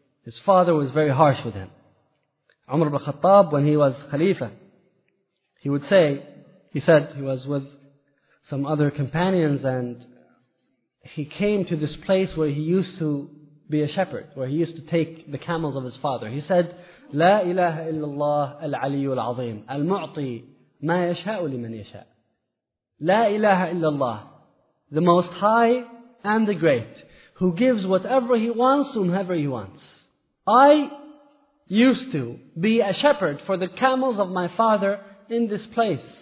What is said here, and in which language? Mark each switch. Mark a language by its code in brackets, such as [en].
[en] His father was very harsh with him. Umar ibn Khattab, when he was Khalifa, he said he was with some other companions, and he came to this place where he used to be a shepherd, where he used to take the camels of his father. He said, [ar] لا إله إلا الله العلي العظيم المعطي ما يشاء لمن يشاء. لا إله إلا الله, [en] the Most High and the Great, who gives whatever he wants whomever he wants. I used to be a shepherd for the camels of my father in this place.